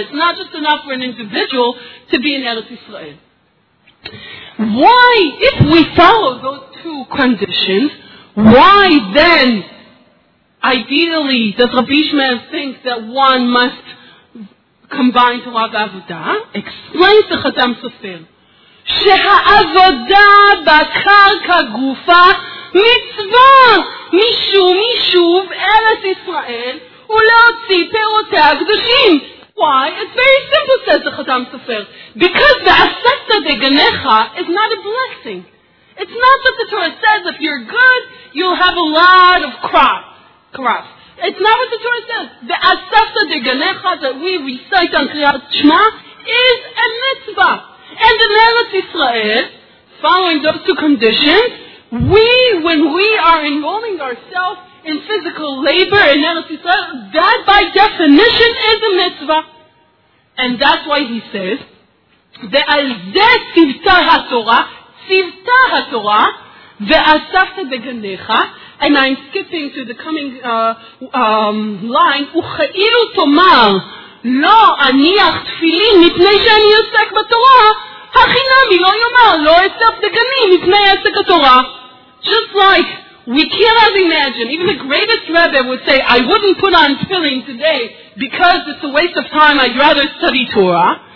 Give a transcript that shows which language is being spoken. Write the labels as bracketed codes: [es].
[en] It's not just enough for an individual to be in Eretz Yisrael. Why, if we follow those two conditions, why then, ideally, does Rabbi Yishmael think that one must combine to Rav Avodah? Explains the Chatam Sofer. [he] שהעבודה בקרקע גופה מצווה משום יישוב ארץ ישראל ולהוציא פירותיה הקדושים. [en] Why? It's very simple, says the Chatam Sofer. Because [he] ועשתה דגניך [en] is not a blessing. It's not that the Torah says if you're good, you'll have a lot of crops. It's not what the Torah says. [he] ועשתה דגניך [en] that we recite on קריאת שמה is a mitzvah. And in Eretz Yisrael, following those two conditions, we, when we are enrolling ourselves in physical labor in Eretz Yisrael, that by definition is a mitzvah. And that's why he says, [he] ועל זה צוותה התורה, צוותה התורה, ואספת בגניך, [en] and I'm skipping to the coming line, [he] וכאילו תאמר, לא אניח תפילין מפני שאני עוסק בתורה, החינמי לא יאמר, לא אסף דגנים מפני עסק התורה. [en] Just like we cannot imagine, even the greatest rabbi would say, I wouldn't put on tefillin today because it's a waste of time, I'd rather study Torah.